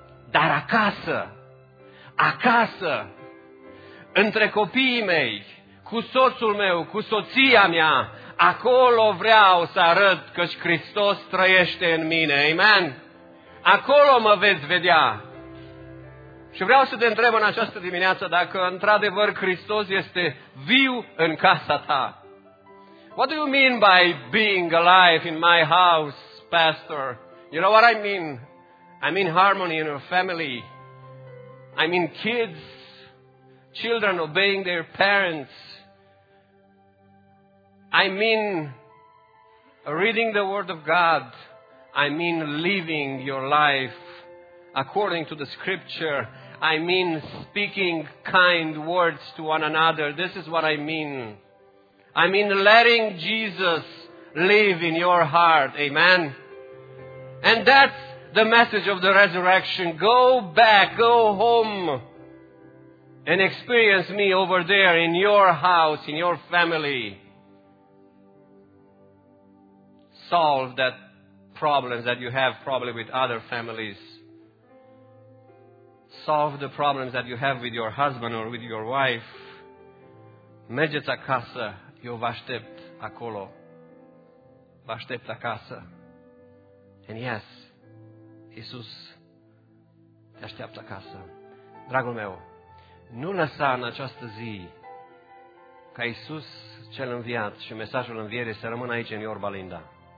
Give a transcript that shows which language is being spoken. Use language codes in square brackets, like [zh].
[ro] Dar acasă, acasă, între copiii mei, cu soțul meu, cu soția mea, acolo vreau să arăt că Hristos trăiește în mine. Amen? Acolo mă veți vedea. Și vreau să te întreb în această dimineață dacă într-adevăr Hristos este viu în casa ta. [en] What do you mean by being alive in my house, pastor? You know what I mean? I mean harmony in your family. I mean kids, children obeying their parents. I mean reading the word of God. I mean living your life according to the scripture. I mean speaking kind words to one another. This is what I mean. I mean letting Jesus live in your heart. Amen. And that's the message of the resurrection. Go back, go home, and experience me over there in your house, in your family. Solve that problem that you have probably with other families. Solve the problems that you have with your husband or with your wife. [ro] Mergeți acasă, eu vă aștept acolo. Vă aștept acasă. [en] And yes, [ro] Iisus te așteaptă acasă. Dragul meu, nu lăsa în această zi ca Iisus cel înviat și mesajul învierii să rămână aici în Iorba Linda.